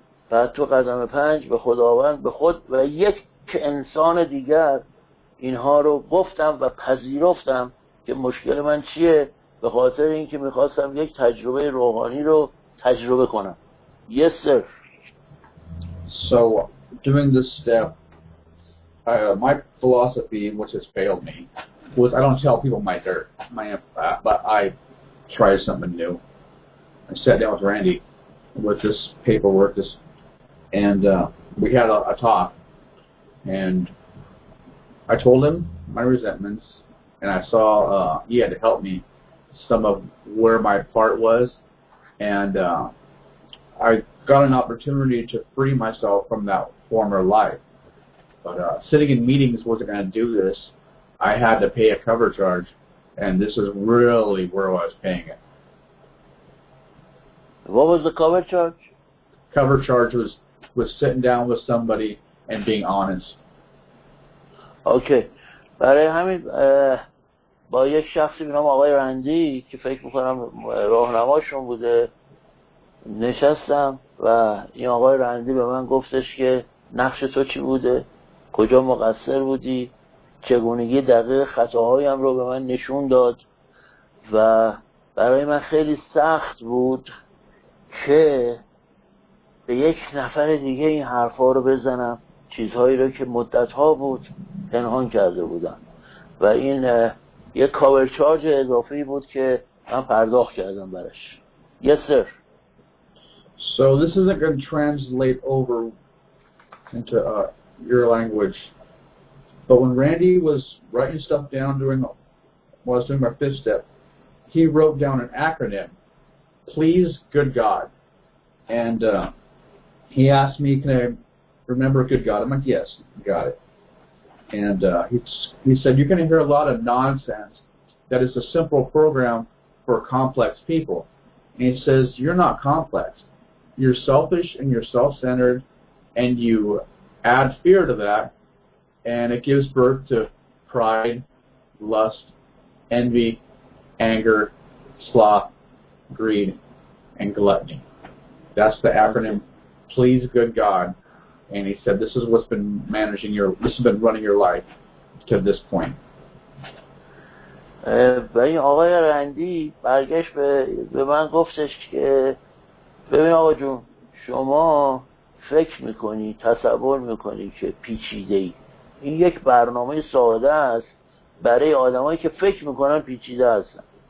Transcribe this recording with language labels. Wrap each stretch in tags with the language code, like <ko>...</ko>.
<fa>بعد تو قدم پنج به خداوند، به خود و یک انسان دیگر اینها رو گفتم و پذیرفتم که مشکل من چیه، به خاطر اینکه میخواستم یک تجربه روحانی رو تجربه کنم.</fa> <en>Yes sir. So doing this step, my philosophy, which has failed me, was I don't tell people my dirt, but I try something new. I sat down with Randy with this paperwork, we had a talk, and I told him my resentments, and I saw he had to help me some of where my part was, and I got an opportunity to free myself from that former life. But sitting in meetings wasn't going to do this. I had to pay a cover charge, and this is really where I was paying it. What was the cover charge? Cover charge was sitting down with somebody and being honest. Okay.</en> <fa>برای همین با یک شخصی به نام آقای رندی که فکر می‌کنم راهنماشون بوده نشستم و این آقای رندی به من گفتش که نقش تو چی بوده؟ کجا مقصر بودی؟ چگونگی دقیق خطاهایم رو به من نشون داد و برای من خیلی سخت بود که به یک نفر دیگه این حرفا رو بزنم، چیزهایی رو که مدت‌ها بود پنهان کرده بودم و این یک کاور چارج اضافی بود که من پرداخت کردم براش.</fa> <en>Yes sir. So this isn't going to translate over into your language, but when Randy was writing stuff down during was doing my fifth step, he wrote down an acronym, Please Good God. And he asked me, can I remember good God? I'm like, yes, got it. And he said, you're going to hear a lot of nonsense that is a simple program for complex people. And he says, you're not complex. You're selfish and you're self-centered, and you add fear to that, and it gives birth to pride, lust, envy, anger, sloth, greed, and gluttony. That's the acronym, Please Good God. And he said, this has been running your life to this point.</en> <fa>این آقای رندی برگشت به من گفتش که ببین آقا جون، شما فکر میکنی، تصور میکنی که پیچیده ای. این یک برنامه ساده است برای آدمایی که فکر میکنن پیچیده هستن.</fa>